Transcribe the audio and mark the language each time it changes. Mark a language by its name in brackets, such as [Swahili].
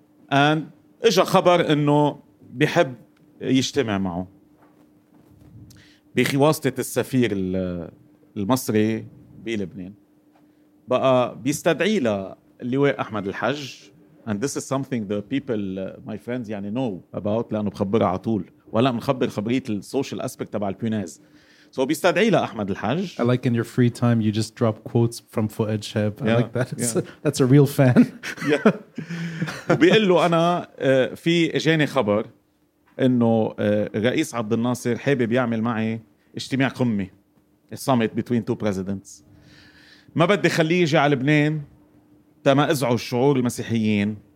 [Arabic] And إجا خبر إنه بيحب يجتمع معه بواسطة السفير المصري بلبنان. بقى بيستدعي للواء أحمد الحج. [English] And this is something the people, my friends, يعني know about, [Arabic] لأنه بخبرها عطول. ولا منخبر خبرية السوشيال أسبكت تبع البيناز. So بيستدعي لأحمد الحج. [English] I like in your free time, you just drop quotes from Fouad Chehab. I like that. Yeah. That's a real fan. [Arabic] بيقول له أنا في إجاني خبر إنه رئيس عبد الناصر حابب يعمل معي اجتماع قمة. [English] A summit between two presidents. [Arabic] ما بدي خليه يجي على لبنان تما أزعج شعور المسيحيين.